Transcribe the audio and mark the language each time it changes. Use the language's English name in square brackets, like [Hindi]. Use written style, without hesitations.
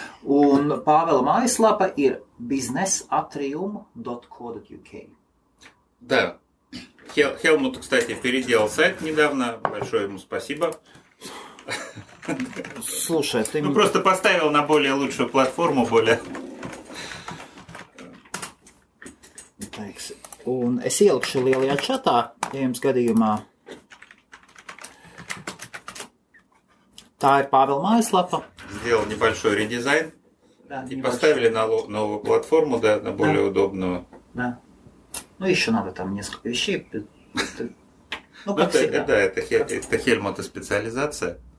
[Russian] Он Павел Майслапа и businessatrium.co.uk. Да. Хелмут, кстати, переделал сайт недавно. Большое ему спасибо. Слушай, ты... Ну, просто поставил на более лучшую платформу, более... [Latvian] Un es ielikšu lielajā čatā, ja jums gadījumā. Tā ir Pāvela mājaslapa. [Russian] Сделал небольшой редизайн. Да, и поставили на новую платформу, да, на более удобную. Да. Ну, еще надо там несколько вещей. Ну, как всегда. Да, это Хельмута специализация.